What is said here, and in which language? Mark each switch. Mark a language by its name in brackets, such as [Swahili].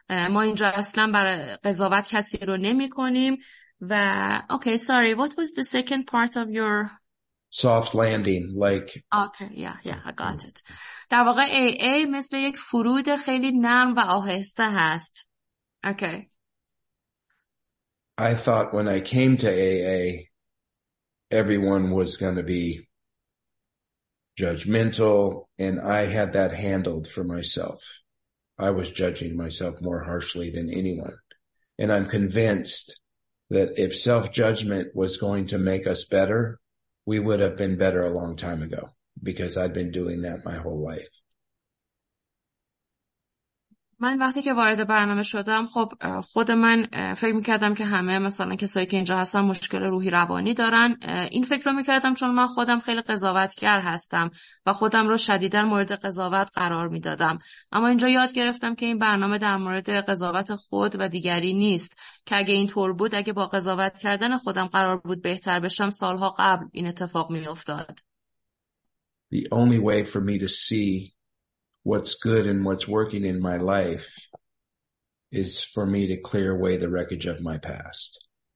[Persian] ما اینجا اصلا برای قضاوت کسی رو نمی کنیم و [English] Okay sorry, what was the second part of your soft landing, like I got it. [Persian] در واقع AA مثل یک فرود خیلی نرم و آهسته هست. [English] Okay. I thought when I came to AA, everyone was going to be judgmental, and I had that handled for myself. I was judging myself more harshly than anyone. And I'm convinced that if self-judgment was going to make us better, we would have been better a long time ago, because I'd been doing that my whole life. [Persian] من وقتی که وارد برنامه شدم، خب خود من فکر میکردم که همه مثلا کسایی که اینجا هستن مشکل روحی روانی دارن. این فکر رو میکردم چون من خودم خیلی قضاوتگر هستم و خودم رو شدیداً مورد قضاوت قرار میدادم. اما اینجا یاد گرفتم که این برنامه در مورد قضاوت خود و دیگری نیست. که اگه این طور بود، اگه با قضاوت کردن خودم قرار بود بهتر بشم، سالها قبل این اتفاق میافتاد. [English] The only way for me to see what's good and what's working in my life is for me to clear away the wreckage of my past.